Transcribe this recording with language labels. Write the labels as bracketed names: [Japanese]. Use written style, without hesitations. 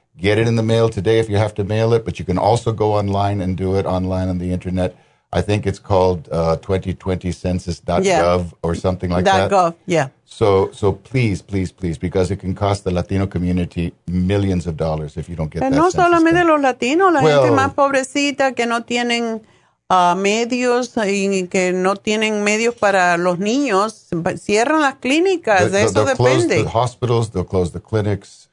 [English] Get it in the mail today if you have to mail it, but you can also go online and do it online on the internet. I think it's called 2020census.gov or something like that. .gov, yeah. So please, please, please, because it can cost the Latino community millions of dollars if you don't get that census. [Spanish] No solamente los latinos, la gente más pobrecita que no tienen medios y que no tienen medios para los niños, cierran las clínicas, de eso depende. [English] They'll close the hospitals, they'll close the clinics.